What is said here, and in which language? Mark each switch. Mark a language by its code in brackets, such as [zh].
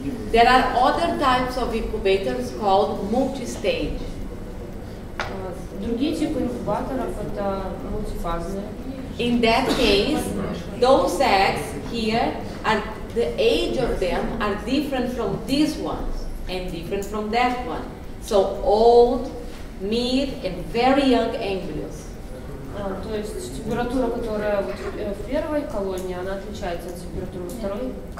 [en] There are other types of incubators called multi-stage. [ru] Другие типы инкубаторов это мультифазные. [en] In that case, those eggs here are the age of them are different from these ones and different from that one. So old, mid, and very young embryos. [ru] То есть температура, которая в первой колонии, она отличается от температуры второй.